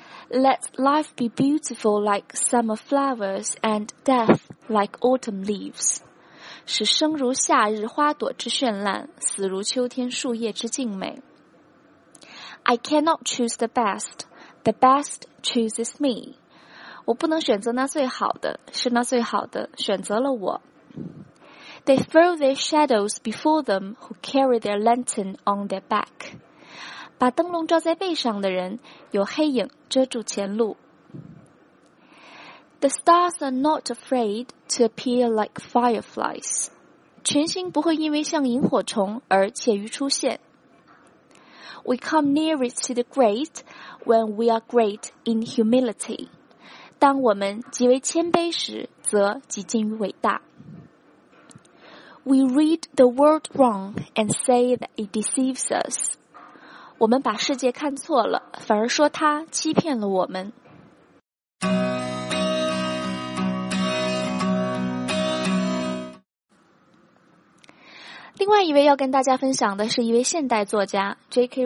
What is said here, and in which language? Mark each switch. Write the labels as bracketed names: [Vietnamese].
[English] Let life be beautiful like summer flowers and death like autumn leaves. [Chinese] 使生如夏日花朵之绚烂，死如秋天树叶之静美。 [English] I cannot choose the best. The best chooses me. [Chinese] 我不能选择那最好的，是那最好的选择了我。 [English] They throw their shadows before them who carry their lantern on their back. [Chinese] 把灯笼照在背上的人，有黑影遮住前路。 [English] The stars are not afraid to appear like fireflies. [Chinese] 群星不会因为像萤火虫而怯于出现。 [English] We come nearest to the great when we are great in humility. [Chinese] 当我们极为谦卑时，则极近于伟大。 [English] We read the world wrong and say that it deceives us. [Chinese] 我们把世界看错了，反而说它欺骗了我们。另外一位要跟大家分享的是一位现代作家 J.K.